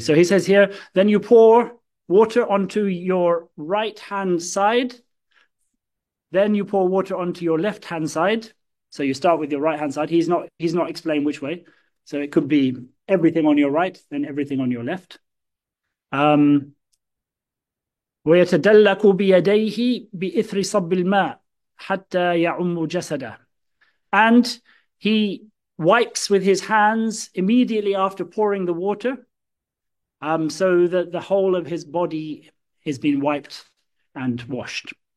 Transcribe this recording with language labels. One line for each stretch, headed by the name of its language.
English: So he says here, then you pour water onto your right hand side, then you pour water onto your left hand side. So you start with your right hand side. He's not explained which way. So it could be everything on your right, then everything on your left.
Arabic: ويتدلك بيديه بإثر صب الماء حتى يعم جسده.
English: And he wipes with his hands immediately after pouring the water, so that the whole of his body has been wiped and washed.